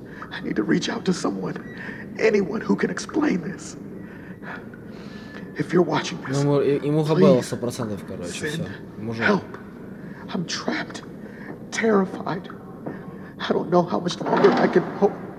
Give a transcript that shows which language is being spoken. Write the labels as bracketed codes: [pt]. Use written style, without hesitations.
[en] I need to reach out to someone. Anyone who can explain this. If you're watching this, [ru] ну, ему габела 100%, короче, все. Ему жопа. [en] Help. I'm trapped. Terrified. I don't know how much longer I can hold.